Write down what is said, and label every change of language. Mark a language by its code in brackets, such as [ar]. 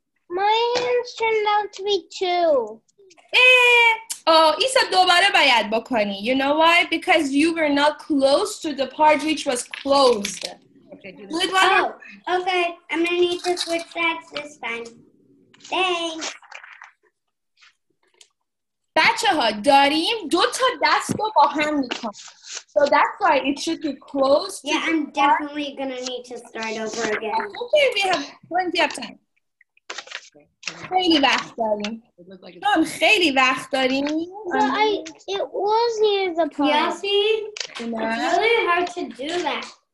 [en] My hands turned out to be two. [fa] Oh, Isa, dobare bayad bokoni. [en] You know why? Because you were not close to the part which was closed. Okay, do this. Okay, I'm gonna need to switch sides this time. Thanks. [fa] بچه ها داریم دو تا دست رو با هم میکنم. [en] So that's why it should be closed. Yeah, I'm definitely gonna need to start over again. Okay, we have plenty of time. [fa] خیلی وقت داریم. چون خیلی وقت داریم. [en] It was near the point. Yossi, it's really hard to do that.